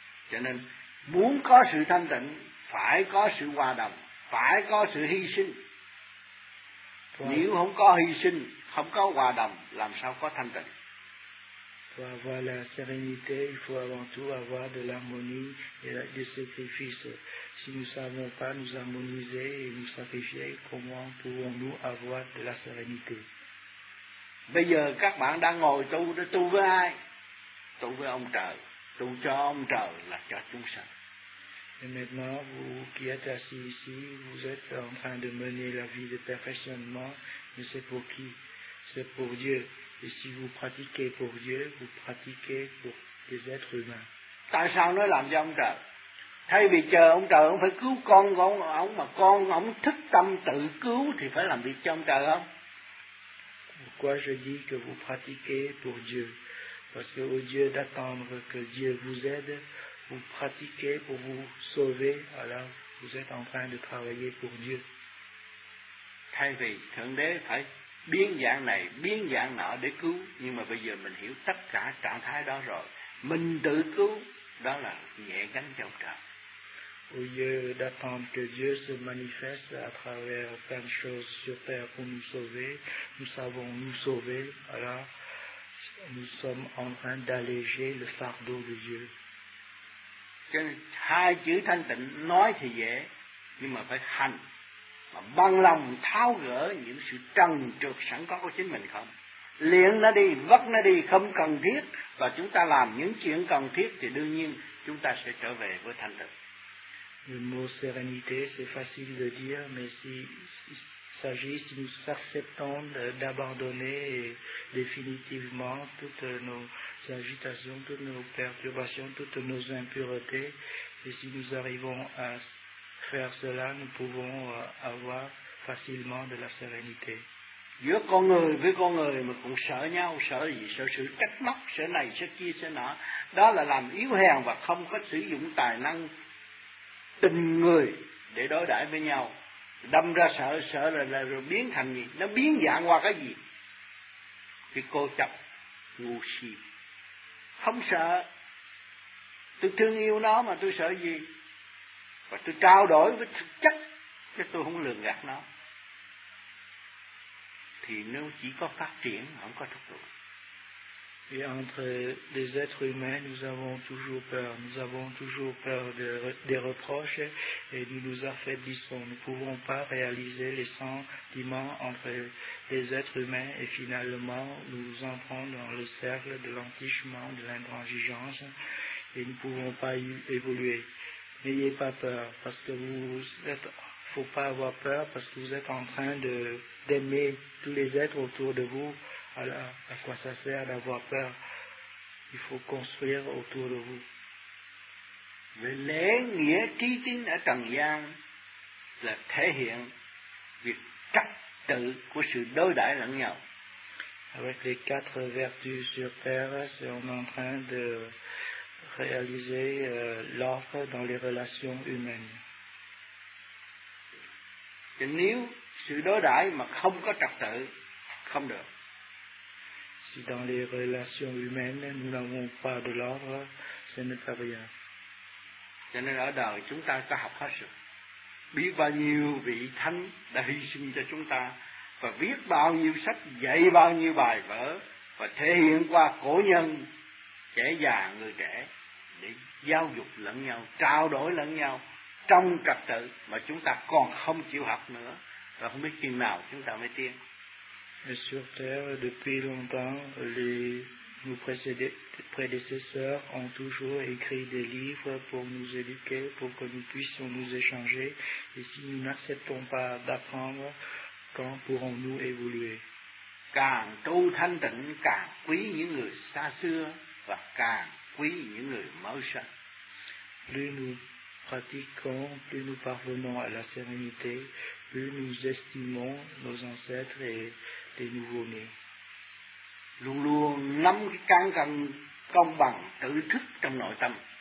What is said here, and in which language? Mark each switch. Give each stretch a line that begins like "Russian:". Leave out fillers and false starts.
Vietnamese: Cho nên muốn có sự thanh tịnh phải có sự hòa đồng, phải có sự hy sinh. Nếu không có hy sinh, không có hòa đồng, làm sao có thanh tịnh?
French: Pour avoir la sérénité, il faut avant tout avoir de l'harmonie et des sacrifices. Si nous ne savons pas nous harmoniser et nous sacrifier, comment pouvons-nous avoir de la sérénité?
Vietnamese: Bây giờ các bạn đang ngồi tu, để tu với ai? Tu với ông trời. Tu cho ông trời là cho chúng sanh.
French: Et maintenant, vous qui êtes assis ici, vous êtes en train de mener la vie de perfectionnement, mais c'est pour qui? C'est pour Dieu. Et si vous pratiquez pour Dieu, vous pratiquez pour les êtres humains.
Vietnamese: Tại sao nó làm cho ông trời? Thay vì chờ ông trời, ông phải cứu con của ông, mà con ông thức tâm tự cứu thì phải làm việc cho ông trời không?
French: Pourquoi je dis que vous pratiquez pour Dieu? Parce que au lieu d'attendre que Dieu vous aide, vous pratiquez pour vous sauver, alors vous êtes en train de travailler pour Dieu.
Vietnamese: Thay vì Thượng Đế phải biến dạng này, biến dạng nọ để cứu, nhưng mà bây giờ mình hiểu tất cả trạng thái đó rồi. Mình tự cứu, đó là nhẹ gánh cho ông trời.
French: au lieu d'attendre que Dieu se manifeste à travers plein de choses sur terre pour nous sauver, nous savons nous sauver, alors nous sommes en train d'alléger le fardeau de Dieu.
Vietnamese: Hai chữ thanh tịnh nói thì dễ, nhưng mà phải hành, mà bằng lòng tháo gỡ những sự trần trược sẵn có của chính mình không. Liệng nó đi, vất nó đi, không cần thiết, và chúng ta làm những chuyện cần thiết thì đương nhiên chúng ta sẽ trở về với thanh tịnh.
French: Le mot sérénité, c'est facile de dire, mais si nous acceptons d'abandonner définitivement toutes nos agitations, toutes nos perturbations, toutes nos impuretés, et si nous arrivons à faire cela, nous pouvons avoir facilement de la sérénité.
Vietnamese: Giữa con người với con người mà cũng sợ nhau, sợ gì, sợ sự trách móc, sợ này, sợ kia, sợ nọ, đó là làm yếu hèn và không có sử dụng tài năng tình người để đối đãi với nhau. Đâm ra sợ, sợ là rồi biến thành gì? Nó biến dạng qua cái gì? Cái cô chấp, ngu si. Không sợ. Tôi thương yêu nó mà tôi sợ gì? Và tôi trao đổi với thực chất, chứ tôi không lường gạt nó. Thì nếu chỉ có phát triển, không có thúc đẩy.
French: Et entre les êtres humains, nous avons toujours peur. Nous avons toujours peur des reproches et nous nous affaiblissons. Nous ne pouvons pas réaliser les sentiments entre les êtres humains et finalement nous entrons dans le cercle de l'empêchement, de l'intransigeance et nous ne pouvons pas y évoluer. N'ayez pas peur parce que vous êtes. Il ne faut pas avoir peur parce que vous êtes en train d'aimer tous les êtres autour de vous. Alors, à quoi ça sert d'avoir peur? Il faut construire autour de vous.
Vietnamese: Le lễ nghĩa trí tín ở trần gian là thể hiện việc trật tự của sự đối đãi lẫn nhau.
French: Avec les quatre vertus sur terre, c'est on est en train de réaliser l'ordre dans les relations humaines.
Vietnamese: Et nếu sự đối đãi mà không có trật tự, không được.
French: Si dans les relations humaines, nous n'avons pas de l'ordre, ce n'est pas rien.
Vietnamese: Cho nên ở đời, chúng ta có học hết sự. Biết bao nhiêu vị thánh đã hy sinh cho chúng ta, và viết bao nhiêu sách, dạy bao nhiêu bài vở, và thể hiện qua cổ nhân, trẻ già, người trẻ, để giáo dục lẫn nhau, trao đổi lẫn nhau, trong trật tự, mà chúng ta còn không chịu học nữa, và không biết chừng nào chúng ta mới tiến.
French: Et sur terre, depuis longtemps, nos prédécesseurs ont toujours écrit des livres pour nous éduquer, pour que nous puissions nous échanger. Et si nous n'acceptons pas d'apprendre, quand pourrons-nous évoluer?
Vietnamese: Càng tu thanh tịnh, càng quý những người xa xưa và càng quý những người mới sinh.
French: Plus nous pratiquons, plus nous parvenons à la sérénité, plus nous estimons nos ancêtres et des nouveaux-nés.
Vietnamese: Luôn luôn nắm cái cán cân công bằng tự thức trong nội tâm.